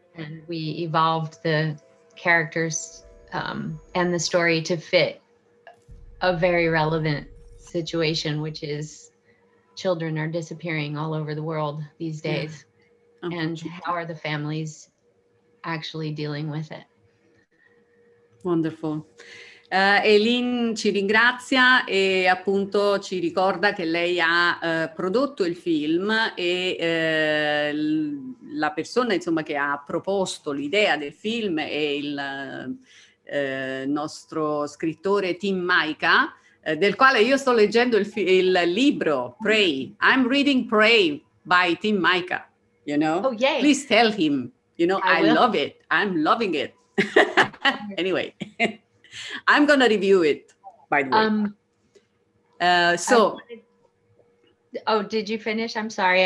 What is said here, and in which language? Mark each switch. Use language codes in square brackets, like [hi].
[en] And we evolved the characters and the story to fit a very relevant situation, which is children are disappearing all over the world these days. Yeah. And how are the families actually dealing with it? Wonderful. [it] Eileen ci ringrazia e appunto ci ricorda che lei ha prodotto il film e la persona insomma che ha proposto l'idea del film è il nostro scrittore Tim Mika, del quale io sto leggendo il libro Prey. [en] I'm reading Prey by Tim Mika, you know? Oh, yay. Please tell him, you know, I love it. I'm loving it. Anyway, I'm going to review it, by the way. Did you finish? I'm sorry.